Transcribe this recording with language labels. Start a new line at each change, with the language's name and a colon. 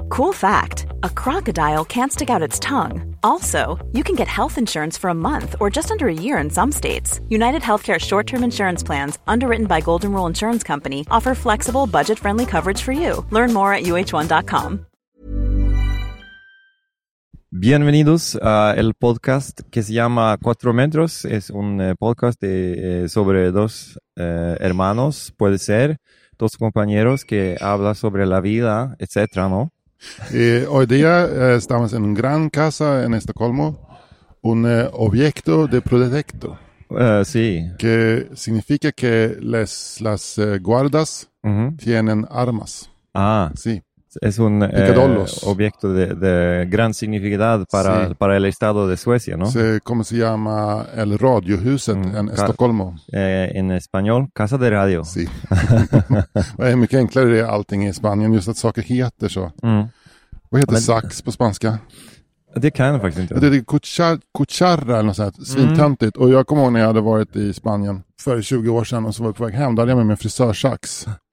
English: Cool fact, a crocodile can't stick out its tongue. Also, you can get health insurance for a month or just under a year in some states. UnitedHealthcare short-term insurance plans, underwritten by Golden Rule Insurance Company, offer flexible, budget-friendly coverage for you. Learn more at uh1.com.
Spanish: Bienvenidos a el podcast que se llama Cuatro Metros. Es un podcast de, sobre dos hermanos, puede ser, dos compañeros que hablan sobre la vida, etcétera, ¿no? Y hoy día estamos en una gran casa en Estocolmo, un objeto de protecto. Sí. Que significa que las guardas tienen armas. Ah, sí. Es un objeto de gran significado para, sí, para el estado de Suecia, ¿no? Sí, ¿cómo se llama el radiohuset en Estocolmo? En español, casa de radio. Sí. Bueno, me quedan claro de
Swedish: allting i Spanien, just att saker heter så. ¿Qué heter sax på spanska? Det kan jag faktiskt inte. Det är cucharra eller något sånt, svintöntigt. Och jag kommer ihåg när jag hade varit i Spanien för 20 år sedan och så var jag på väg hem, där hade jag med min frisörsax.